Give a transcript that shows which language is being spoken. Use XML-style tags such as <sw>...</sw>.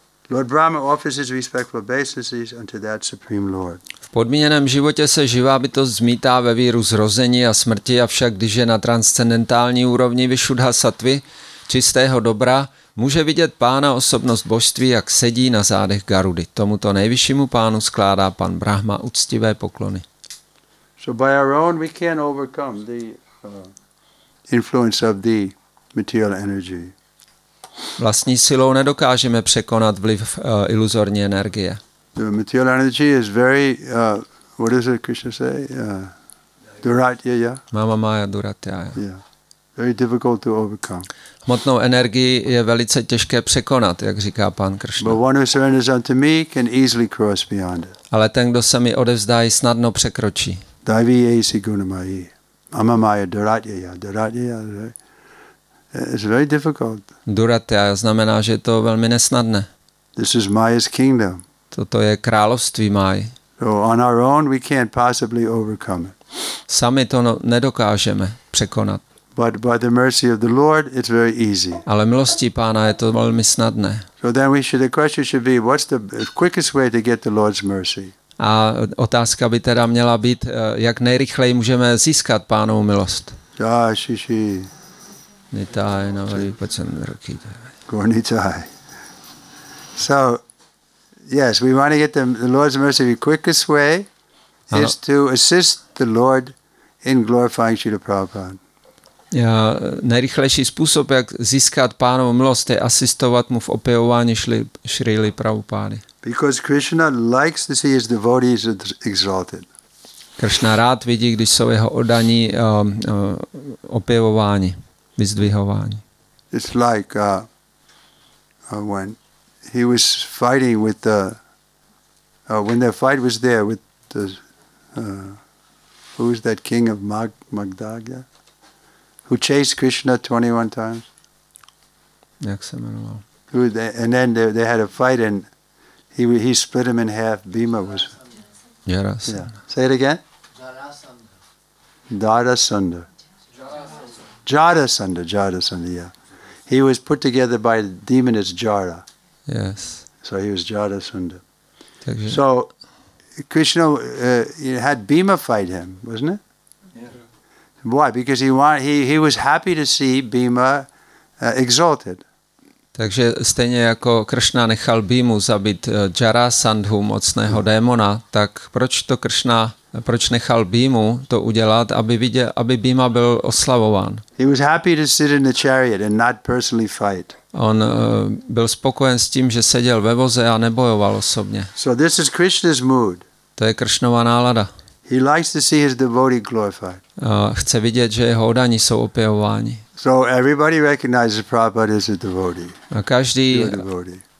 <en>Lord Brahma offers his respectful obeisances unto that Supreme Lord.</en> <cs>V podmíněném životě se živá bytost zmítá ve víru zrození a smrti, avšak když je na transcendentální úrovni Vishuddha Sattvy, čistého dobra, může vidět pána osobnost božství, jak sedí na zádech Garudy. Tomuto nejvyššímu pánu skládá pan Brahma uctivé poklony.</cs> <en>So by our own we can overcome the influence of the material energy.</en> <cs>Vlastní silou nedokážeme překonat vliv iluzorní energie.</cs> <en>The material energy is very what does Krishna say?</en> <sa>Duratya. Mama Maya Duratya.</sa> <en>Yeah. Very difficult to overcome.</en> <cs>Hmotnou energii je velice těžké překonat, jak říká pán Kršna.</cs> <en>But one who surrenders unto me can easily cross beyond it.</en> <cs>Ale ten, kdo se mi odevzdá, ji snadno překročí.</cs> <sa>Daivyesi gunamayi. Mama Maya Duratya. Duratya.</sa> <en>It's very difficult.</en> <cs>Duratya znamená, že je to velmi nesnadné.</cs> <en>This is Maya's kingdom.</en> <cs>Toto je království Máji.</cs> <en>So on our own we can't possibly overcome it.</en> <cs>Sami to nedokážeme překonat.</cs> <en>But by the mercy of the Lord it's very easy.</en> <cs>Ale milostí Pána je to velmi snadné.</cs> <en>So then the question should be what's the quickest way to get the Lord's mercy?</en> <cs>A otázka by teda měla být, jak nejrychleji můžeme získat Pánovu milost. Ja, shishi. Nitai na vali pacandraki. Gornitai.</cs> <en>So yes, we want to get the Lord's mercy. The quickest way is to assist the Lord in glorifying Srila Prabhupada.</en> <cs>Nejrychlejší způsob, jak získat Pánovu milost, je asistovat mu v opěvování Srily Prabhupády.</cs> <en>Because Krishna likes to see his devotees exalted.</en> <cs>Krishna rád vidí, když jsou jeho oddaní opěvováni, vyzdvihováni.</cs> <en>It's like when he was fighting with the when their fight was there with the who is that king of Magdha who chased Krishna 21 times.</en> <cs>Jak se jmenoval?</cs> <en>Who and then they had a fight and he split him in half. Bhima was. Jarasandha. Yeah. Say it again. Jarasandha. Jarasandha. Jarasandha. Yeah. He was put together by the demon as Jara. Yes. So he was Jarasandha. So Krishna had Bhima fight him, wasn't it? Yeah. Why? Because he was happy to see Bhima exalted.</en> <cs>Takže stejně jako Krishna nechal Bhimu zabít Jarasandhu, mocného démona, tak proč to Krishna, proč nechal Bhimu to udělat, aby viděl, aby Bhima byl oslavován?</cs> <en>He was happy to sit in the chariot and not personally fight.</en> <cs>On byl spokojen s tím, že seděl ve voze a nebojoval osobně.</cs> <en>So this is Krishna's mood.</en> <cs>To je Krishnova nálada.</cs> <en>He likes to see his devotee glorified.</en> <cs>Chce vidět, že jeho oddaní jsou opěvováni.</cs> <en>So everybody recognizes Prabhupada as a devotee.</en>